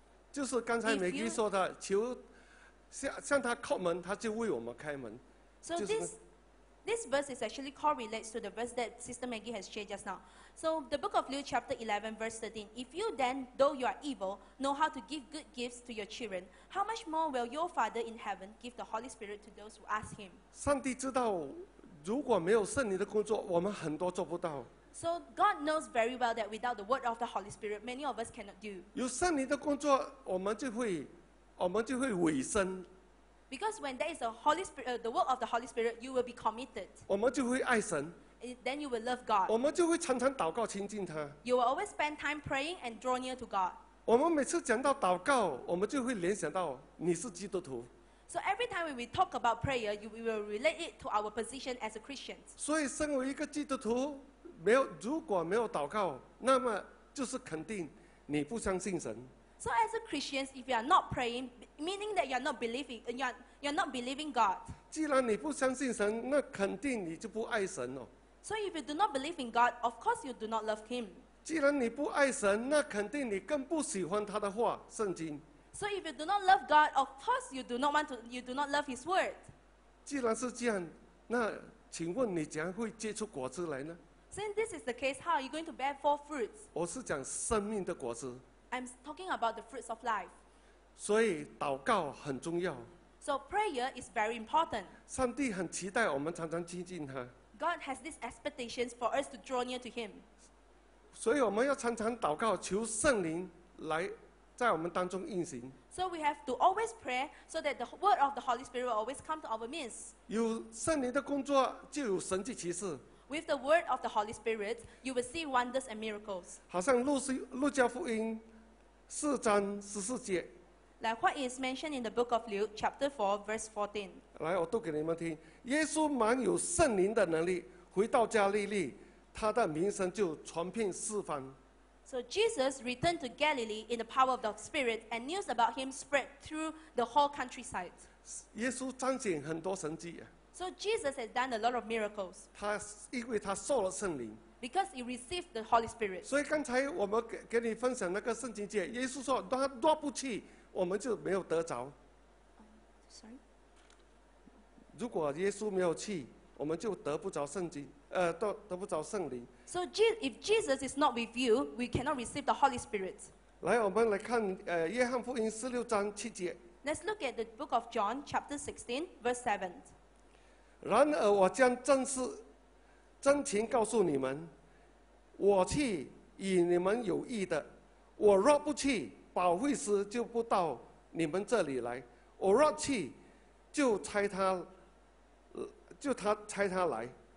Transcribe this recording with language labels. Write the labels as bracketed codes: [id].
[zh] 就是刚才美姬说的，求向他叩门，他就为我们开门。 [en] So this verse is actually correlates to the verse that Sister Maggie has shared just now. So the book of Luke chapter 11 verse 13. If you then, though you are evil, know how to give good gifts to your children, how much more will your Father in heaven give the Holy Spirit to those who ask him? [zh] 上帝知道如果没有圣灵的工作，我们很多做不到。 [en] So God knows very well that without the word of the Holy Spirit, many of us cannot do. [zh] 有圣灵的工作，我们就会委身。 [en] Because when there is a Holy Spirit, the work of the Holy Spirit, you will be committed. [zh] 我们就会爱神。 [en] Then you will love God. [zh] 我们就会常常祷告亲近他。 [en] You will always spend time praying and draw near to God. [zh] 我们每次讲到祷告，我们就会联想到你是基督徒。 [en] So every time when we talk about prayer, we will relate it to our position as a Christian. [zh] 所以身为一个基督徒，如果没有祷告，那么就是肯定你不相信神。 [en] So as a Christian, if you are not praying, meaning that you are not believing, you are not believing God. [zh] 既然你不相信神，那肯定你就不爱神哦。 [en] So if you do not believe in God, of course you do not love Him. [zh] 既然你不爱神，那肯定你更不喜欢他的话，圣经。 [en] So if you do not love God, of course you do not love His Word. [zh] 既然是这样，那请问你怎样会结出果子来呢？ [en] Since this is the case, how are you going to bear forth fruits? [zh] 我是讲生命的果子。 [en] I'm talking about the fruits of life. [zh] 所以祷告很重要。 [en] So prayer is very important. [zh] 上帝很期待我们常常亲近他。 [en] God has these expectations for us to draw near to him. [zh] 所以我们要常常祷告，求圣灵来在我们当中运行。 [en] So we have to always pray so that the word of the Holy Spirit will always come to our midst. [zh] 有圣灵的工作，就有神迹奇事。 [en] With the word of the Holy Spirit, you will see wonders and miracles. [zh] 好像路加福音4:14。 [en] Like what is mentioned in the book of Luke, chapter 4, verse 14. [zh] 来，我读给你们听。耶稣满有圣灵的能力，回到加利利，他的名声就传遍四方。 [en] So Jesus returned to Galilee in the power of the Spirit, and news about him spread through the whole countryside. [zh] 耶稣彰显很多神迹。 [en] So Jesus has done a lot of miracles. [zh] 他因为他受了圣灵。 [en] Because he received the Holy Spirit. [zh] 所以刚才我们 给你分享那个圣经节，耶稣说他若不去，我们就没有得着。如果耶稣没有去，我们就得不着圣经，得不着圣灵。 [en] So if Jesus is not with you, we cannot receive the Holy Spirit. [zh] 来，我们来看约翰福音16:7。 [en] Let's look at the book of John, chapter 16, verse 7. [zh] 然而我将真情告诉你们，我去与你们有益的，我若不去，保惠师就不到你们这里来，我若去，就差他来。